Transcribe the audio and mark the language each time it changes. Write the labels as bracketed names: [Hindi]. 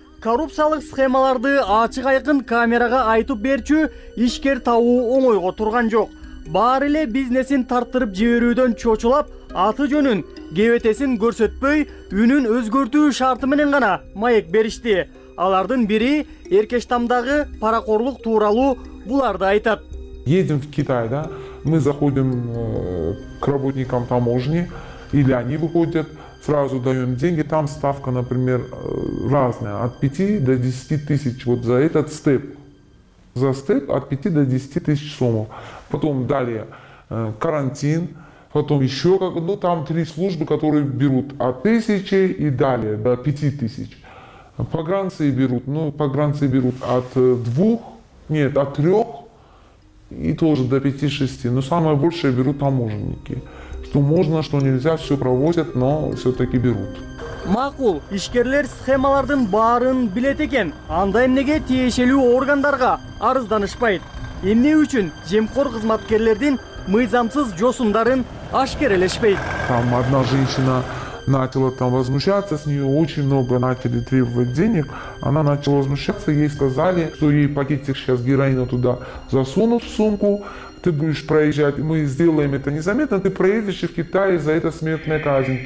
[Kyrgyz] Коррупциялык схемаларды ачык айкын камерага айтып берчү ишкер табуу оңойго турган жок. Баары эле бизнесин тарттырып жиберүүдөн чочулап, аты жөнүн, кебетесин көрсөтпөй, үнүн өзгөртүү шарты менен гана маек беришти. Алардын бири Эркештамдагы паракорлук тууралуу буларды айтат. [Russian] Едим в Китай, да? Мы заходим к работникам таможни, или они выходят. Сразу даем деньги, там ставка, например, разная, от 5 до 10 тысяч, вот за этот степ. За степ от 5 до 10 тысяч сомов. Потом далее карантин, потом еще, ну там три службы, которые берут от 1000 и далее, до 5000. Погранцы берут, ну погранцы берут от 2, нет, от 3 и тоже до 5-6, но самое большее берут таможенники. Что можно, что нельзя, все провозят, но все-таки берут. [Kyrgyz] Макул, ишкерлер схемалардын баарын билет экен. Анда эмнеге тиешелүү органдарга арызданышпайт? Эмне үчүн жемкор кызматкерлердин мыйзамсыз жосундарын ашкерелешпейт? [Russian] Там одна женщина начала там возмущаться, с нее очень много начали требовать денег. Она начала возмущаться, ей сказали, что ей пакетик сейчас героина туда засунут в сумку. Ты будешь проезжать, мы сделаем это незаметно, ты проедешь и в Китае за это смертная казнь.